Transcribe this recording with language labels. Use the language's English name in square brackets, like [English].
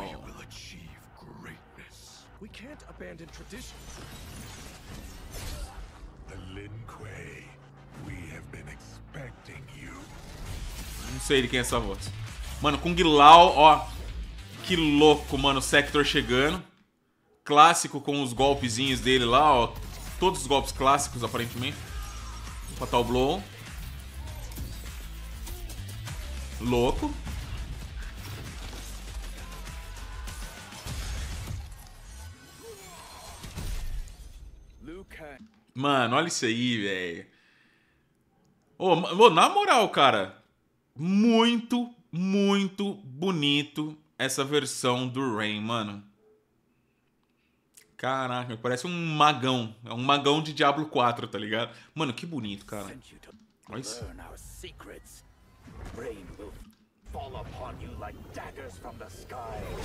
[English] We will achieve greatness. We can't abandon tradition. The Lin Kuei, we have been expecting you. [Portuguese] Não sei de quem é essa voz. Mano, Kung Lao, ó. Que louco, mano. Sector chegando. Clássico com os golpezinhos dele lá, ó. Todos os golpes clássicos, aparentemente. Fatal Blow. Louco. Mano, olha isso aí, velho. Ô, na moral, cara. Muito, muito bonito essa versão do Rain, mano. Caraca, parece um magão. É um magão de Diablo 4, tá ligado? Mano, que bonito, cara. Olha isso. [English] Rain will fall upon you like daggers from the sky.